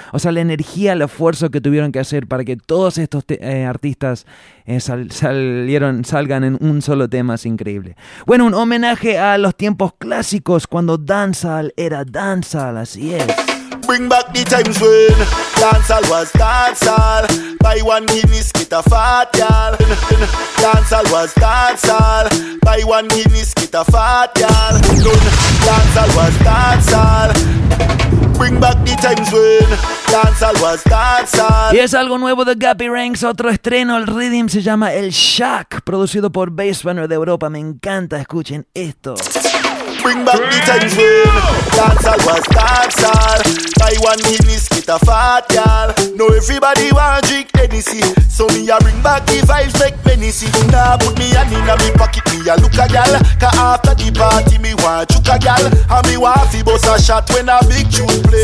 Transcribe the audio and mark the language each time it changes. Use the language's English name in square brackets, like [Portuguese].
[Spanish] O sea, la energía, el esfuerzo que tuvieron que hacer para que todos estos artistas salgan en un solo tema. Es increíble. Bueno, un homenaje a los tiempos clásicos cuando dancehall era dancehall. Así es. [English] Bring back the times when dancehall was dancehall. Buy one Guinness, get a fat girl. Dancehall was dancehall. Buy one Guinness, get a fat girl. Dancehall was dancehall. Bring back the times when dancehall was dancehall. [Spanish] Y es algo nuevo de Gappy Ranks, otro estreno. El rhythm se llama El Shack, producido por Bass Banner de Europa. Me encanta, escuchen esto. [English] Bring back the times when dancehall was dancehall. Buy one Guinness, get a fat girl. Now everybody wanna drink Hennessy. So me a bring back the vibes, make many see. Now put me a nina, me pocket me a look a girl. Cause after the party, me want chuka girl. And me want fi bust a shot when a big tune play.